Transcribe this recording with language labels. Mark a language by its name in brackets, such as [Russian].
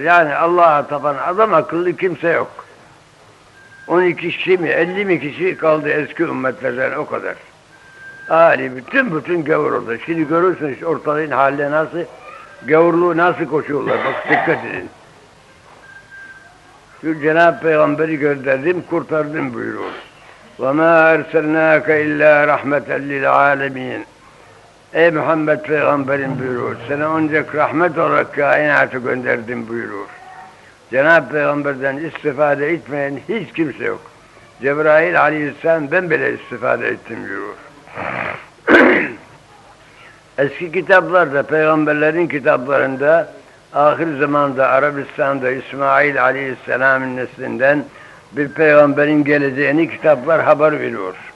[Turkish] Yani Allah'a tapan adam akıllı kimse yok. 12 kişi mi, 50 mi kişi kaldı eski ümmetlerden, o kadar. Ahali bütün gavur oldu. Şimdi görürsünüz ortalığın hali nasıl, gavurluğu nasıl koşuyorlar. Bak dikkat edin. Şu Cenab-ı Peygamber'i gönderdim, kurtardım buyuruyor. [Arabic] وَمَا اَرْسَلْنَاكَ اِلَّا رَحْمَةً لِلْعَالَمِينَ [Turkish] Ey Muhammed Peygamberim buyurur. Sana ancak rahmet olarak kainatı gönderdim buyurur. Cenab-ı Peygamber'den istifade etmeyen hiç kimse yok. Cebrail Aleyhisselam ben bile istifade ettim buyurur. Eski kitaplarda, peygamberlerin kitaplarında, ahir zamanda Arabistan'da İsmail Aleyhisselam'ın neslinden bir peygamberin geleceğini kitaplar haber veriyor.